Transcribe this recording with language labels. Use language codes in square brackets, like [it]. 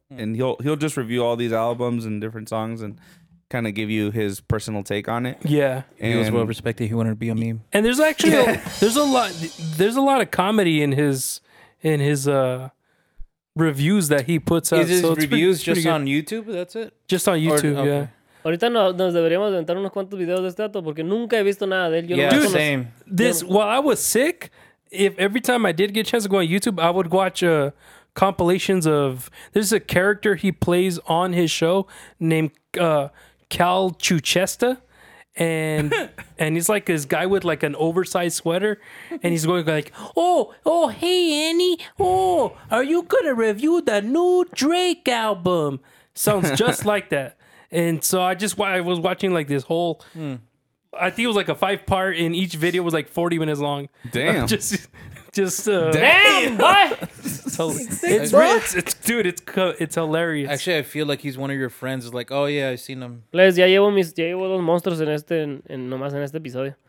[en] And he'll just review all these albums and different songs and kind of give you his personal take on it. Yeah, and he was well respected. He wanted to be a meme. And there's actually there's a lot of comedy in his reviews that he puts out. Is his reviews pretty on YouTube? That's it. Just on YouTube. Okay. Yeah. [es] Ahorita nos deberíamos aventar unos cuantos videos de este dato porque nunca he visto nada de él. [en] Yeah, dude, same. This while I was sick, if every time I did get a chance to go on YouTube, I would watch compilations of. There's a character he plays on his show named. Cal Chuchesta, and he's like this guy with like an oversized sweater, and he's going like, oh, hey, Annie, are you gonna review the new Drake album? Sounds just like that. And so I was watching like this whole, I think it was like a 5-part, and each video was like 40 minutes long. Damn. Damn, what? It's hilarious. Actually, I feel like he's one of your friends. It's like, oh yeah, I've seen him. [es] Les, ya llevo dos monstruos en este, nomás en este episodio.